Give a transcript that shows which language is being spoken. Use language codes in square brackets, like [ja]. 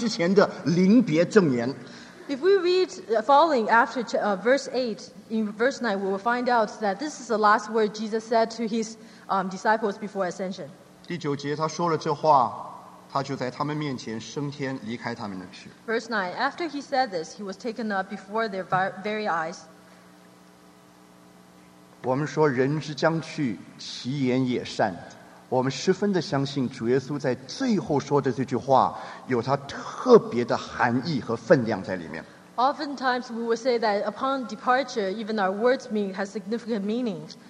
[zh] 我们也注意到使徒行传一章八节，很明显的，当我们看到第九节的时候，我们就发现这句话是主耶稣对着门徒临离开他们之前的临别证言。 [en] If we read following after verse 8, in verse 9, we will find out that this is the last word Jesus said to his disciples before ascension. [zh] 第九节他说了这话，他就在他们面前升天离开他们的去。 [en] Verse 9, after he said this, he was taken up before their very eyes. [zh] 我们说人之将去，其言也善。我们十分的相信主耶稣在最后说的这句话有他特别的含义和分量在里面。 [en] Oftentimes we will say that upon departure, even our words mean has significant meaning.